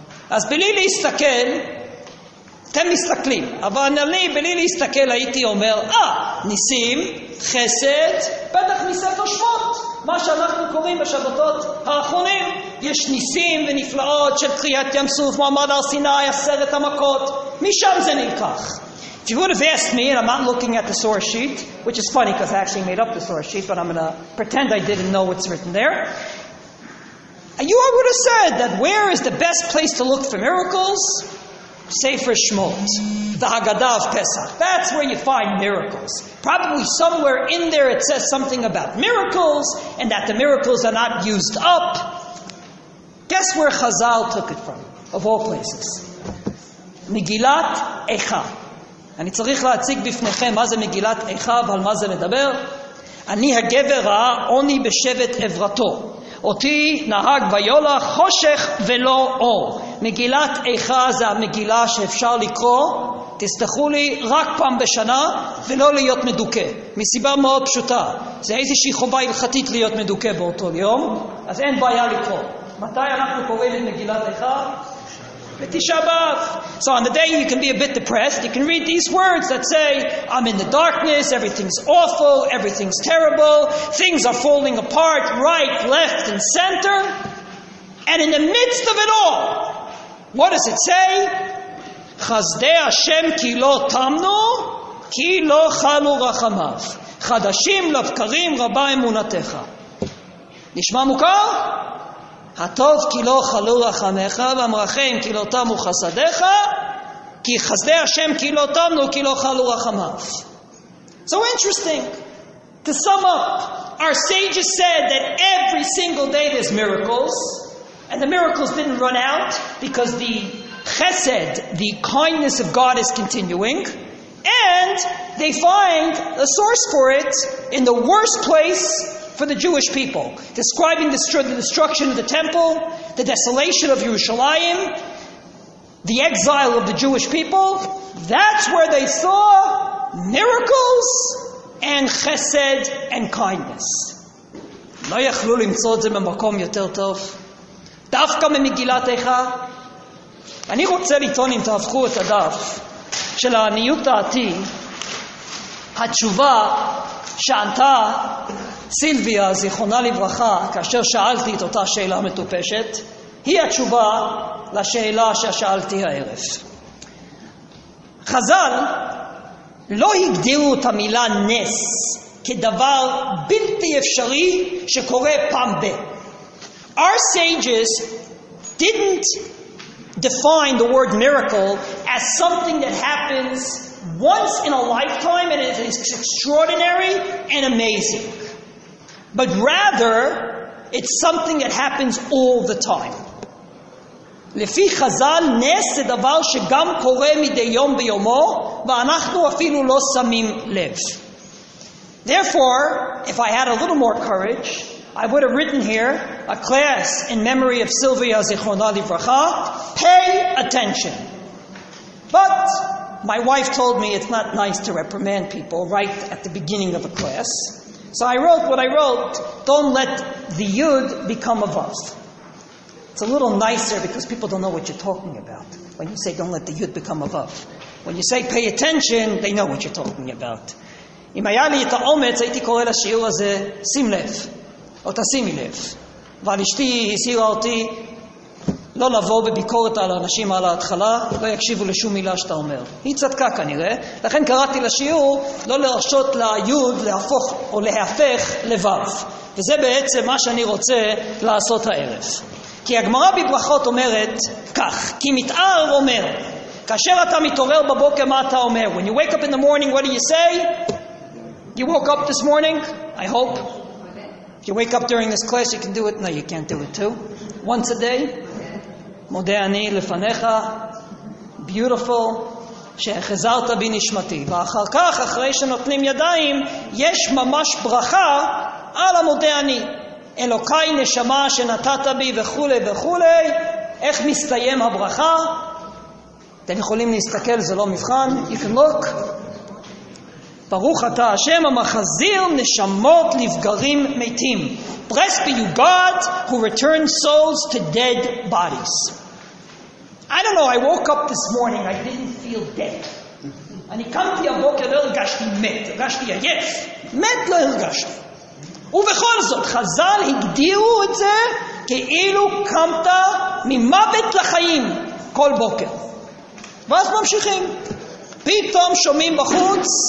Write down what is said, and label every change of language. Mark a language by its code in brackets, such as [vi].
[he] אז בלי להסתכל, אתם מסתכלים, אבל אני בלי להסתכל הייתי אומר, ניסים, חסד, בטח מספר שמות, מה שאנחנו קוראים בשבתות האחרונים, יש ניסים ונפלאות של קריאת ים סוף, מעמד הר סיני, עשרת המכות, משם זה נלקח. [en] If you would have asked me, and I'm not looking at the source sheet, which is funny because I actually made up the source sheet, but I'm going to pretend I didn't know what's written there, And you, I would have said that where is the best place to look for miracles? Sefer Shmot, the Haggadah of Pesach. That's where you find miracles. Probably somewhere in there it says something about miracles and that the miracles are not used up. Guess where Chazal took it from, of all places? Megillat Echa. [he] אני צריך להציג בפניכם מה זה מגילת איכה ועל מה זה מדבר. אני הגבר ראה עוני בשבט עברתו. אותי נהג ויולה חושך ולא אור. מגילת איכה זה המגילה שאפשר לקרוא, תסתכלו לי, רק פעם בשנה ולא להיות מדוכא. מסיבה מאוד פשוטה. זה איזושהי חובה הלכתית להיות מדוכא באותו יום, אז אין בעיה לקרוא. מתי אנחנו קוראים את מגילת איכה? [en] So on the day you can be a bit depressed, you can read these words that say, I'm in the darkness, everything's awful, everything's terrible, things are falling apart, right, left, and center. And in the midst of it all, what does it say? [he] Chasdei Hashem ki lo tamnu, ki lo chalu rachamav. Chadashim lavkarim rabba emunatecha. Nishma mukar? הטוב כי לא חלו רחמך ואמרכם כי לא תמו חסדך כי חסדי השם כי לא תמנו כי לא חלו רחמך. [en] So interesting. To sum up, our sages said that every single day there's miracles, and the miracles didn't run out because the chesed, the kindness of God, is continuing, and they find a source for it in the worst place for the Jewish people, describing the destruction of the temple, the desolation of Yerushalayim, the exile of the Jewish people. That's where they saw miracles and chesed and kindness. [he] לא יכלו למצוא את זה במקום יותר טוב, דווקא ממגילת איכה. אני רוצה לטעון, אם תהפכו את הדף של העניות דעתי, התשובה שענתה סילביה, זיכרונה לברכה, כאשר שאלתי את אותה שאלה מטופשת, היא התשובה לשאלה ששאלתי הערב. חז"ל לא הגדירו את המילה נס כדבר בלתי אפשרי שקורה פעם ב. [en] Our sages didn't define the word miracle as something that happens once in a lifetime and it is extraordinary and amazing. But rather, it's something that happens all the time. [he] לפי חז"ל, נס זה דבר שגם קורה מדי יום ביומו, ואנחנו אפילו לא שמים לב. [en] Therefore, if I had a little more courage, I would have written here a class in memory of Sylvia [he] זיכרונה לברכה, [en] pay attention. But my wife told me it's not nice to reprimand people right at the beginning of a class. So I wrote what I wrote, don't let the yud become a vav. It's a little nicer because people don't know what you're talking about when you say don't let the yud become a vav. When you say pay attention, they know what you're talking about. [he] אם היה לי את האומץ, הייתי קורא לשיעור הזה, שים לב, או תשימי לב. אבל אשתי הסירה אותי לא לבוא בביקורת על האנשים על ההתחלה, לא יקשיבו לשום מילה שאתה אומר. היא צדקה כנראה, לכן קראתי לשיעור לא להרשות ליוד להפוך או להפך לבב. וזה בעצם מה שאני רוצה לעשות הערב. כי הגמרא בברכות אומרת כך, כי מתאר אומר, כאשר אתה מתעורר בבוקר מה אתה אומר? [en] When you wake up in the morning, what do you say? You woke up this morning, I hope. If you wake up during this class, you can do it. No, you can't do it too. Once a day. [he] מודה אני לפניך, [en] beautiful, [he] שהחזרת בי נשמתי. ואחר כך, אחרי שנותנים ידיים, יש ממש ברכה על המודה אני. אלוקיי נשמה שנתת בי וכו' וכו'. איך מסתיים הברכה? אתם יכולים להסתכל, זה לא מבחן. [en] You can look. [he] ברוך אתה השם המחזיר נשמות לבגרים מתים. [en] Blessed be you God who returns souls to dead bodies. I don't know, I woke up this morning, I didn't feel dead. [he] אני קמתי הבוקר, לא הרגשתי מת, הרגשתי עייף. מת לא הרגשתי. ובכל זאת, חז"ל הגדירו את זה כאילו קמת ממוות לחיים כל בוקר. ואז ממשיכים. פתאום שומעים בחוץ